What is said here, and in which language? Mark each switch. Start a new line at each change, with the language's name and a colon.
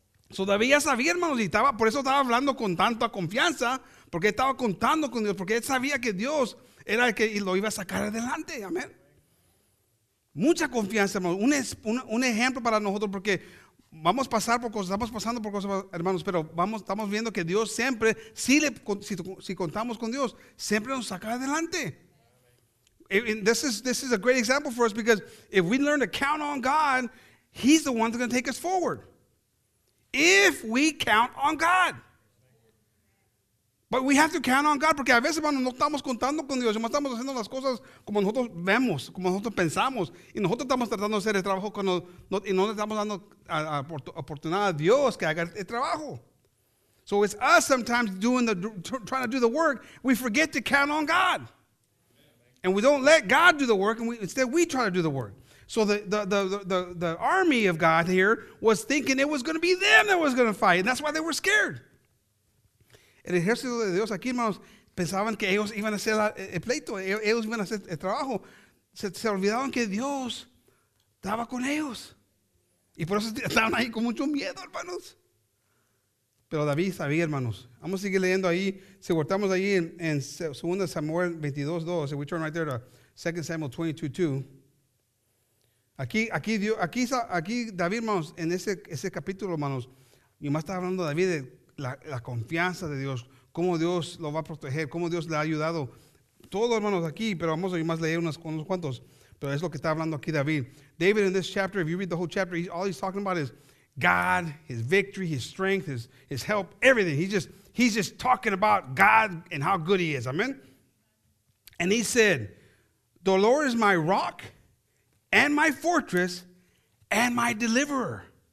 Spanish: So David ya sabía, hermanos, y estaba, por eso estaba hablando con tanta confianza, porque estaba contando con Dios, porque él sabía que Dios era el que lo iba a sacar adelante. Amén. Mucha confianza, hermanos. Un ejemplo para nosotros, porque vamos a pasar por cosas, estamos pasando por cosas, hermanos, pero estamos viendo que Dios siempre, si contamos con Dios, siempre nos saca adelante.
English: And this is a great example for us, because if we learn to count on God, he's the one that's going to take us forward. If we count on God. But we have to count on God,
Spanish: porque a veces, hermanos, no estamos contando con Dios, no estamos haciendo las cosas como nosotros vemos, como nosotros pensamos, y nosotros estamos tratando de hacer el trabajo y no le estamos dando a oportunidad a Dios que haga el trabajo.
English: So it's us sometimes trying to do the work, we forget to count on God. And we don't let God do the work, and instead we try to do the work. So the army of God here was thinking it was going to be them that was going to fight, and that's why they were scared.
Spanish: El ejército de Dios aquí, hermanos, pensaban que ellos iban a hacer el pleito, ellos iban a hacer el trabajo. Se olvidaban que Dios estaba con ellos. Y por eso estaban ahí con mucho miedo, hermanos. Pero David sabía, hermanos. Vamos a seguir leyendo ahí. Si guardamos ahí en 2 Samuel 22:2,
English: if we turn right there to 2 Samuel 22:2.
Spanish: Aquí David, hermanos, en ese capítulo, hermanos, y más está hablando David de la confianza de Dios, cómo Dios lo va a proteger, cómo Dios le ha ayudado. Todo, hermanos, aquí, pero vamos a ir más leer unos cuantos. Pero es lo que está hablando aquí David.
English: David, in this chapter, if you read the whole chapter, all he's talking about is God, his victory, his strength, his help, everything. He's just talking about God and how good he is. Amen. And he said, the Lord is my rock and my fortress and my deliverer.